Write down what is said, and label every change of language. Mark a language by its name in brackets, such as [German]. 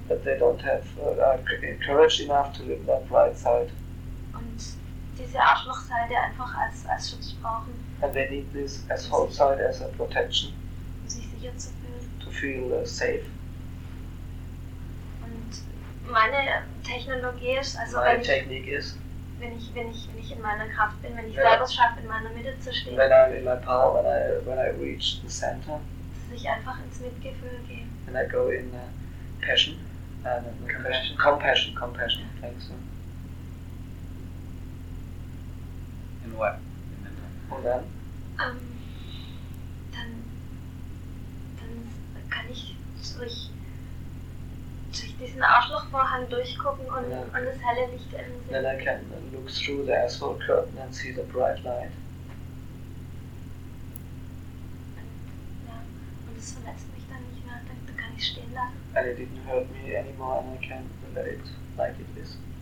[English] That they don't have courage enough to live their bright side. [German] Und diese Arschlochseite einfach als Schutz brauchen. [English] And they need this asshole side as a protection. [German] Um sich sicher zu fühlen. [English] To feel safe. [German] Und meine Technologie ist, also meine Technik ist. Wenn ich in meiner Kraft bin, wenn ich selber es schaffe, in meiner Mitte zu stehen. [English] When I'm in my power, when I reach the center. [German] Dass ich einfach ins Mitgefühl gehe. [English] When I go in passion. Compassion. Yeah. Thanks. In what? In the [German] Und dann? Dann kann ich durch diesen Arschlochvorhang durchgucken und, yeah. und das helle Licht sehen. [English] Then I can look through the asshole curtain and see the bright light. [German] Ja, und es verletzt mich dann nicht mehr, dann kann ich stehen lassen. [English] And it didn't hurt me anymore and I can let it like it is.